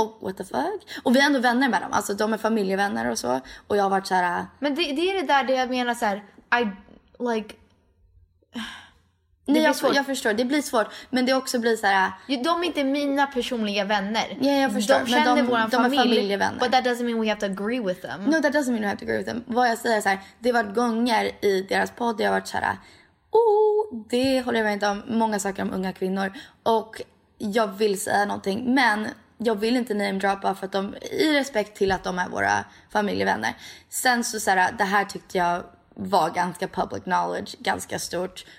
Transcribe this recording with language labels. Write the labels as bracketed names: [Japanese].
[English] Och what the fuck? [Swedish] Och vi är ändå vänner med dem. Alltså de är familjevänner och så och jag har varit så här men det är det där det jag menar så här [English] like. [Swedish] Nej, jag förstår, det blir svårt. Men det också blir så här. De är inte mina personliga vänner. Ja, jag förstår. De känner vår familj, familjevänner. [English] But that doesn't mean we have to agree with them. No, that doesn't mean we have to agree with them. [Swedish] Vad jag säger så här, det har varit gånger i deras podd jag har varit så här, det håller jag med inte om. Många saker om unga kvinnor. Och jag vill säga någonting, men jag vill inte name droppa för att de, i respekt till att de är våra familjevänner. Sen så här, det här tyckte jag var ganska public knowledge, ganska stort.